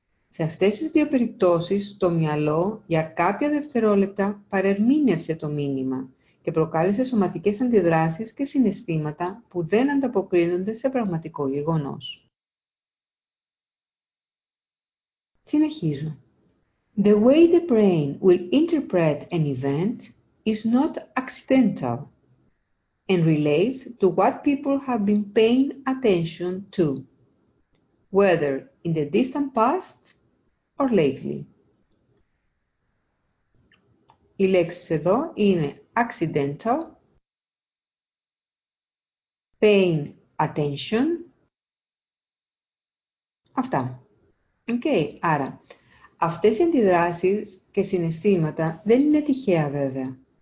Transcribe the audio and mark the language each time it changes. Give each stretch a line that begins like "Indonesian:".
Greek: Σε αυτές τις δύο περιπτώσεις, το μυαλό για κάποια δευτερόλεπτα παρερμήνευσε το μήνυμα και προκάλεσε σωματικές αντιδράσεις και συναισθήματα που δεν ανταποκρίνονται σε πραγματικό γεγονός. Συνεχίζω.
English: The way the brain will interpret an event is not accidental and relates to what people have been paying attention to, whether in the distant past or lately.
Greek: Οι λέξεις εδώ είναι
English: accidental, paying attention.
Greek: Αυτά. Okay, άρα αυτές οι αντιδράσεις και συναισθήματα δεν είναι τυχαία βέβαια.